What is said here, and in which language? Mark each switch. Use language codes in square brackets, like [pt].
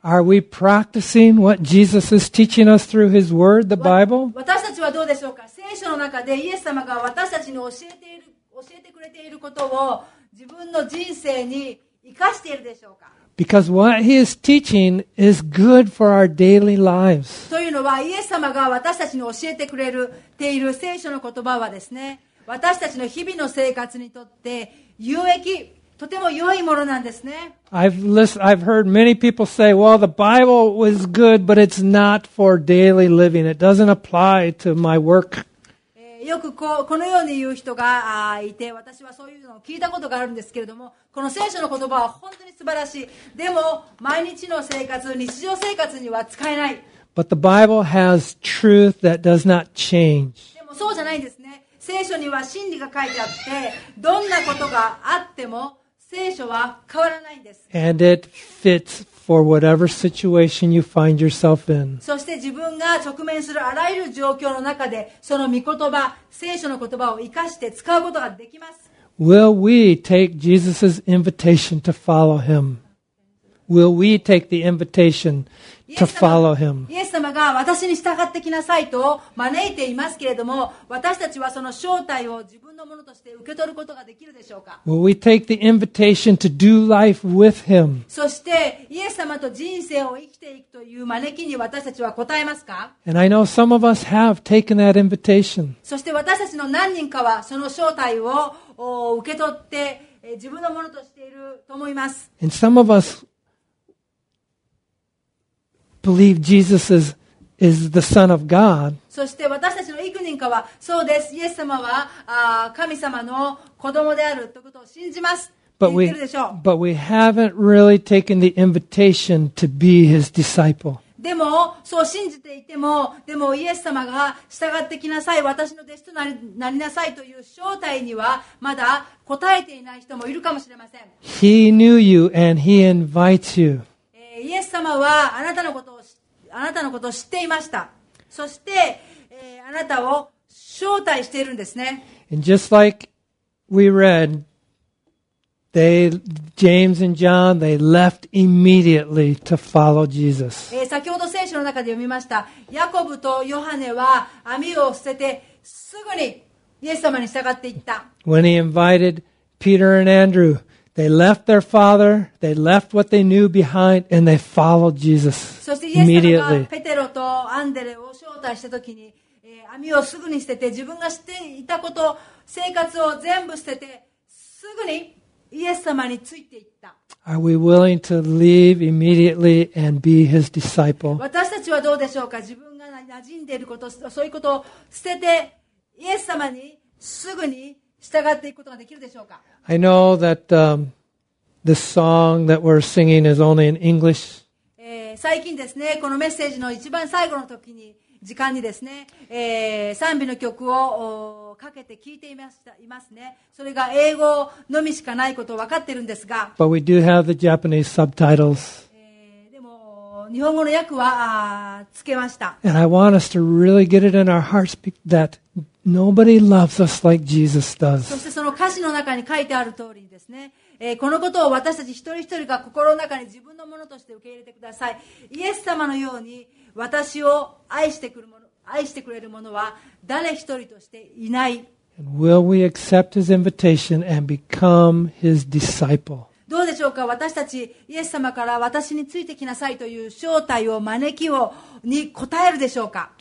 [en] Are we practicing what Jesus is teaching us through His Word, the Bible? [ja] 私たちはどうでしょうか。聖書の中でイエス様が私たちに教えてくれていることを自分の人生に生かしているでしょうか。 [en] Because what He is teaching is good for our daily lives. [ja] というのはイエス様が私たちに教えてくれている聖書の言葉はですね、私たちの日々の生活にとって有益、とても良いものなんですね。 [en] I've heard many people say, well, the Bible is good, but it's not for daily living. It doesn't apply to my work. [ja] よくこのように言う人がいて、私はそういうのを聞いたことがあるんですけれども、この聖書の言葉は本当に素晴らしい。でも、毎日の生活、日常生活には使えない。 [en] But the Bible has truth that does not change. [ja] でもそうじゃないんですね。聖書には真理が書いてあって、どんなことがあっても聖書は変わらないんです。 [en] And it fits for whatever situation you find yourself in. [ja] そして自分が直面するあらゆる状況の中で、その御言葉、聖書の言葉を生かして使うことができます。 [en] Will we take Jesus' invitation to follow him? Will we take the invitation to follow him? [ja] イエス様が私に従ってきなさいと招いていますけれども、私たちはその招待を自分のものとして受け取ることができるでしょうか。 [en] Will we take the invitation to do life with him? [ja] そしてイエス様と人生を生きていくという招きに私たちは応えますか。 [en] And I know some of us have taken that invitation. [ja] そして私たちの何人かはその招待を受け取って自分のものとしていると思います。 [en] And some of us believe Jesus is the Son of God. [ja] そして私たちの幾人かはそうです。イエス様は神様の子供であるということを信じます。 [en] But we haven't really taken the invitation to be His disciple. [ja] でもそう信じていても、でもイエス様が従ってきなさい、私の弟子となりなさいという招待にはまだ応えていない人もいるかもしれません。 [en] He knew you and He invites you. [ja] イエス様はあなたのことを知っていました。そして、あなたを招待しているんですね。 [en] And just like we read, James and John, they left immediately to follow Jesus. [ja] 先ほど聖書の中で読みました。ヤコブとヨハネは網を捨ててすぐにイエス様に従っていった。 [en] When he invited Peter and Andrew,They left their father, they left what they knew behind, and they followed Jesus immediately. [ja] そしてイエス様がペテロとアンデレを招待した時に、網をすぐに捨てて、自分が知っていたこと、生活を全部捨てて、すぐにイエス様についていった。 [en] Are we willing to leave immediately and be his disciple? [ja] 私たちはどうでしょうか。自分が馴染んでいること、そういうことを捨てて、イエス様にすぐに従っていくことができるでしょうか。 [en] I know that This song that we're singing is only in English. [ja] 最近ですね、このメッセージの一番最後の時に時間にですね、賛美の曲をかけて聞いていました、いますね。それが英語のみしかないことを分かってるんですが。 [en] But we do have the Japanese subtitles. [ja] でも日本語の訳はつけました。 [en] And I want us to really get it in our hearts that nobody loves us like Jesus does. [ja] そしてその歌詞の中に書いてある通りですね。このことを私たち一人一人が心の中に自分のものとして受け入れてください。イエス様のように私を愛してくるもの、愛してくれるものは誰一人としていない。 [en] And will we accept his invitation and become his disciple? [ja] どうでしょうか、私たちイエス様から私についてきなさいという招待を、招きをに応えるでしょうか。